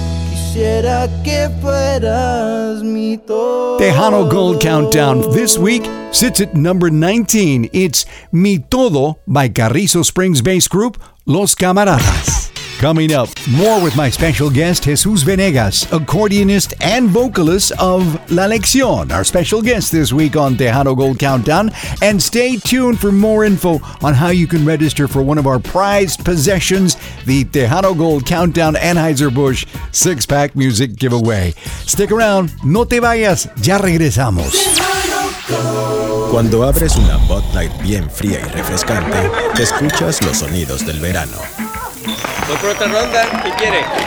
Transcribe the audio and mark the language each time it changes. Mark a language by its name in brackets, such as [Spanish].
[Spanish] Quisiera que fueras mi todo. [English] Tejano Gold Countdown this week sits at number 19. It's Mi Todo by Carrizo Springs Bass Group, Los Camaradas. Coming up, more with my special guest, Jesus Venegas, accordionist and vocalist of La Lección, our special guest this week on Tejano Gold Countdown. And stay tuned for more info on how you can register for one of our prized possessions, the Tejano Gold Countdown Anheuser-Busch six-pack music giveaway. Stick around. [Spanish] No te vayas. Ya regresamos. Cuando abres una Bud Light bien fría y refrescante, te escuchas los sonidos del verano. Voy por otra ronda, ¿qué quiere?